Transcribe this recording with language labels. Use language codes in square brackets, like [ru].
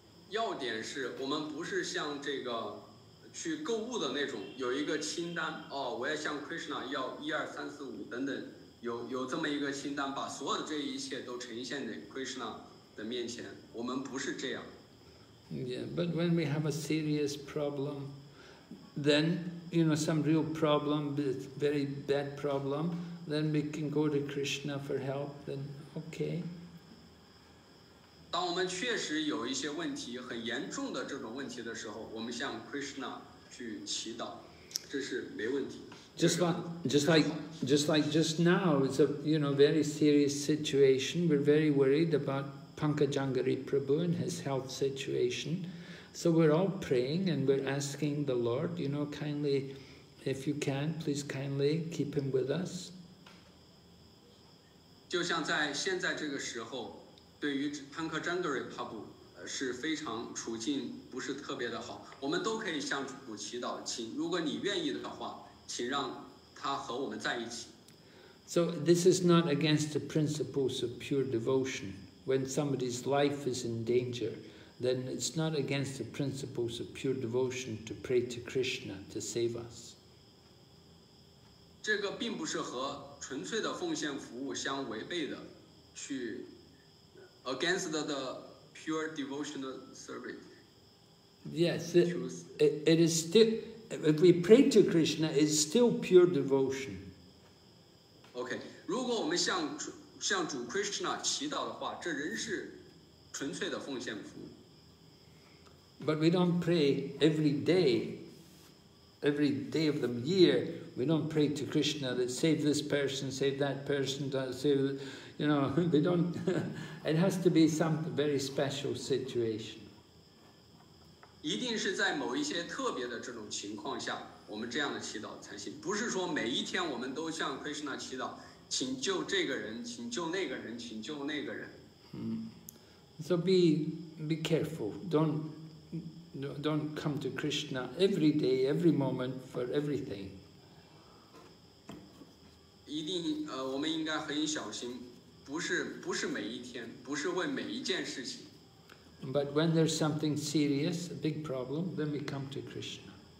[zh] 要点是我们不是像这个去购物的那种，有一个清单哦，我要向 Krishna 要一二三四五等等，有这么一个清单，把所有的这一切都呈现在 Krishna 的面前。我们不是这样。 [en] Yeah, but when we have a serious problem, then you know some real problem, very bad problem, then we can go to Krishna for help. Then okay. [zh] 当我们确实有一些问题，很严重的这种问题的时候，我们向 Krishna 去祈祷，这是没问题。 [en] Just like just now, it's a you know very serious situation. We're very worried about Pankajangari Prabhu and his health situation, so we're all praying and we're asking the Lord, you know, kindly, if you can, please kindly keep him with us. [zh] 就像在现在这个时候。对于潘克詹格瑞帕布是非常处境不是特别的好，我们都可以向主祈祷，请如果你愿意的话，请让他和我们在一起。 [en] So this is not against the principles of pure devotion. When somebody's life is in danger, then it's not against the principles of pure devotion to pray to Krishna to save us. [zh] 这个并不是和纯粹的奉献服务相违背的，去。 [en] Against the pure devotional service. Yes, it is still, if we pray to Krishna, it's still pure devotion. [zh] Okay, 如果我们向主 Krishna 祈祷的话，这仍是纯粹的奉献服务。 [en] But we don't pray every day of the year, we don't pray to Krishna that save this person, save that person, save, you know, we don't, it has to be some very special situation. [zh] 一定是在某一些特别的这种情况下，我们这样的祈祷才行。不是说每一天我们都向 Krishna 祈祷，请救这个人，请救那个人，请救那个人。 [en] So be careful, don't come to Krishna every day, every moment, for everything. [zh] 一定我们应该很小心，不是每一天，不是为每一件事情。 [en] But when there's something serious, a big problem, then we come to Krishna.